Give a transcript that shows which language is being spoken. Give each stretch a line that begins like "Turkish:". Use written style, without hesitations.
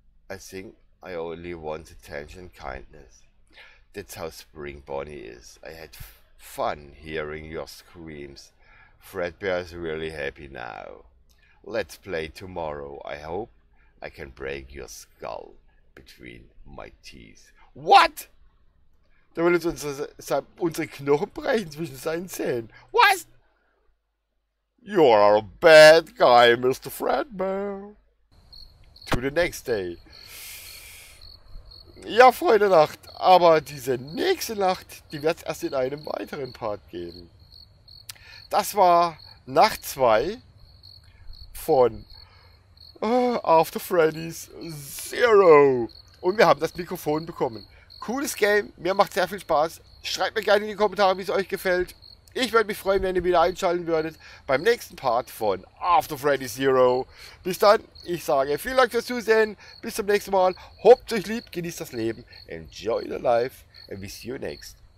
English: I think I only want attention and kindness. That's how Spring Bonnie is. I had fun hearing your screams. Fredbear is really happy now. Let's play tomorrow. I hope I can break your skull between my teeth. What?
German: Der will uns unsere Knochen brechen zwischen seinen Zähnen. Was?
English: You are a bad guy, Mr. Fredbear. To the next day.
German: Ja, Freunde Nacht, aber diese nächste Nacht, die wird es erst in einem weiteren Part geben. Das war Nacht 2 von After Freddy's Zero. Und wir haben das Mikrofon bekommen. Cooles Game, mir macht sehr viel Spaß. Schreibt mir gerne in die Kommentare, wie es euch gefällt. Ich würde mich freuen, wenn ihr wieder einschalten würdet beim nächsten Part von After Freddy Zero. Bis dann, ich sage vielen Dank fürs Zusehen. Bis zum nächsten Mal. Habt euch lieb, genießt das Leben.
English: Enjoy the life and we see you next.